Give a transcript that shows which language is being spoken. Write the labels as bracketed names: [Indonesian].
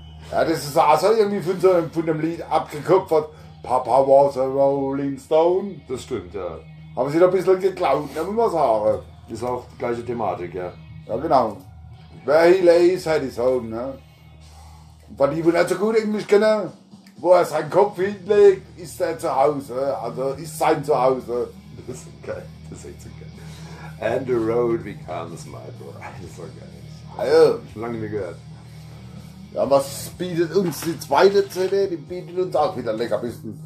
[German] Ja, das ist also irgendwie von dem Lied abgekupfert. [English] Papa was a Rolling Stone. [German] Das stimmt, ja. Haben sie da ein bisschen geklaut, wenn man sagen. Ist auch die gleiche Thematik, ja. Ja, genau. [English] Where he lays, had his home, ne? [German] Und wenn die wohl nicht so gut Englisch kennen, wo er seinen Kopf hinlegt, ist er zu Hause. Also ist sein Zuhause. Das ist geil. Das ist echt so geil. [English] And the road becomes my bride. [German] Das war geil. Heil. Schon lange nicht gehört. Ja, was bietet uns die zweite CD? Die bietet uns auch wieder Leckerbissen.